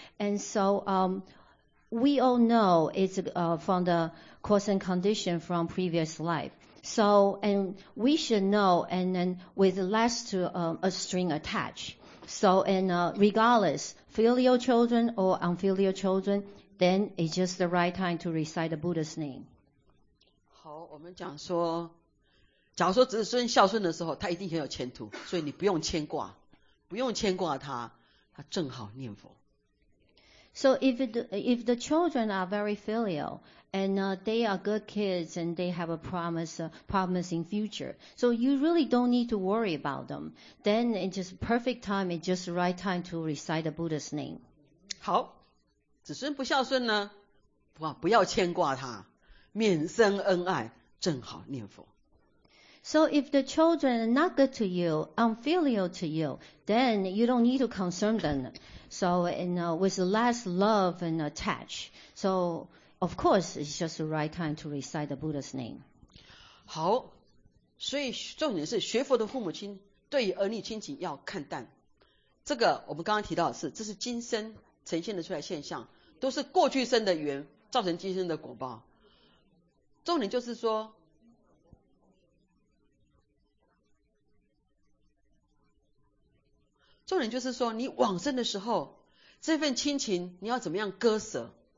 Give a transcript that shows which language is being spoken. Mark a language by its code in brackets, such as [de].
[en] And so we all know it's from the cause and condition from previous life. So, and we should know, and then with less to a string attached. So, and regardless, filial children or unfilial children, then it's just the right time to recite the Buddha's name. [zh] 好，我们讲说假如说子孙孝顺的时候，他一定很有前途，所以你不用牵挂，不用牵挂他，他正好念佛。 [en] So if the children are very filial and they are good kids and they have a promising future, so you really don't need to worry about them. Then it's just perfect time, it's just the right time to recite the Buddha's name. [zh] 好，子孙不孝顺呢，不要牵挂他，免生恩爱，正好念佛。 [en] So if the children are not good to you, unfilial to you, then you don't need to concern them. So with less love and attach. So of course, it's just the right time to recite the Buddha's name. [zh] 好，所以重点是学佛的父母亲对儿女亲情要看淡。这个我们刚刚提到的是，这是今生呈现的出来现象，都是过去生的缘造成今生的果报。重点就是说，重点就是说，你往生的时候，这份亲情你要怎么样割舍？